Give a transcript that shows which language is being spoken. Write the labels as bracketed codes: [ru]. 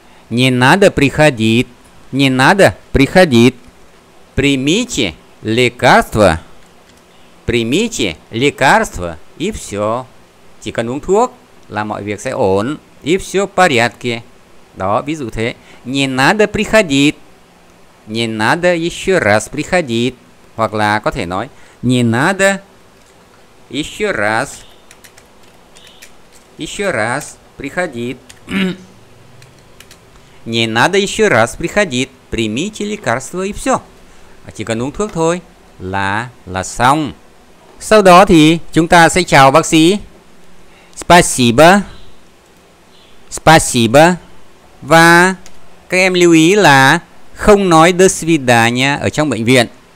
[ru] Не надо приходить. Не надо приходить. Примите лекарство. Примите лекарство и все. [vi] Chỉ cần uống thuốc là mọi việc sẽ ổn. [ru] И все в порядке. [vi] Đó, ví dụ thế. [ru] Не надо приходить. Не надо еще раз приходить. [vi] Hoặc là có thể nói [ru] Не надо еще раз. Еще раз приходить. Не надо еще раз приходить. Примите лекарство и все. [vi] Chỉ cần uống thuốc thôi là xong. Sau đó thì chúng ta sẽ chào bác sĩ. [ru] Спасибо. Спасибо. [vi] Và các em lưu ý là không nói [ru] до свидания [vi] ở trong bệnh viện.